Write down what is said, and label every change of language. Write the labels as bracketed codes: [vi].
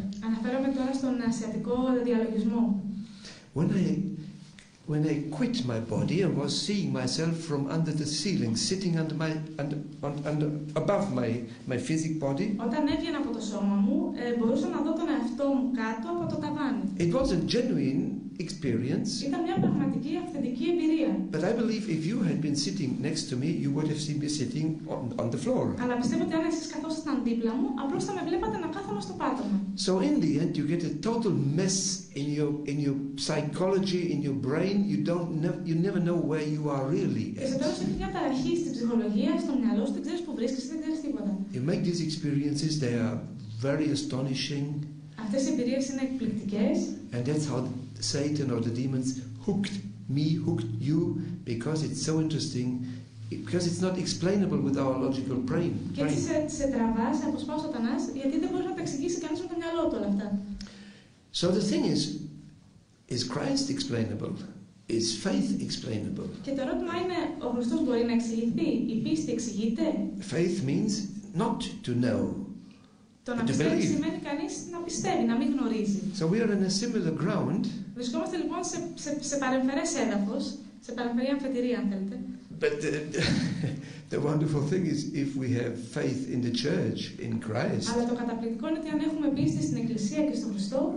[el] Αναφέρομαι τώρα στον ασιατικό διαλογισμό. [en] When I quit my body and was seeing myself from under the ceiling, sitting under my above my physical body. [el] Όταν έβγαινα από το σώμα μου, μπορούσα να δω τον εαυτό μου κάτω από το ταβάνι. [en] It was a genuine experience. [el] Ήταν μια πραγματική αυθεντική εμπειρία. [en] But I believe if you had been sitting next to me, you would have seen me sitting on the floor. [el] Αλλά πιστεύω ότι αν εσείς καθόσασταν δίπλα μου, απλώς θα με βλέπατε να κάθομαι στο πάτωμα. [en] So in the end, you get a total mess in your psychology, in your brain. You never know where you are really. [el] Και σε τέλος έχει μια ταραχή στην ψυχολογία, στο μυαλό, δεν ξέρεις που βρίσκεσαι, δεν ξέρεις τίποτα. [en] You make these experiences; they are very astonishing. [el] Αυτές οι εμπειρίες είναι εκπληκτικές. [en] And that's how Satan or the demons hooked me, hooked you, because it's so interesting, because it's not explainable with our logical brain. [el] Και σε τραβάς, αποσπάς ο Σατανάς, γιατί δεν μπορείς να τα εξηγήσεις κανείς με το μυαλό του όλα αυτά. [en] So the thing is Christ explainable? Is faith explainable? [el] Και το ερώτημα είναι, ο Χριστός μπορεί να εξηγηθεί, η πίστη εξηγείται? [en] Faith means not to know. [el] Το να πιστεύει σημαίνει κανείς να πιστεύει, να μην γνωρίζει. [en] So we are in a similar ground. [el] Βρισκόμαστε λοιπόν σε παρεμφερές έδαφος, σε παρεμφερή αμφετηρία, αν θέλετε. [en] But the wonderful thing is if we have faith in the church, in Christ. [el] Αλλά το καταπληκτικό είναι ότι αν έχουμε πίστη στην Εκκλησία και στον Χριστό,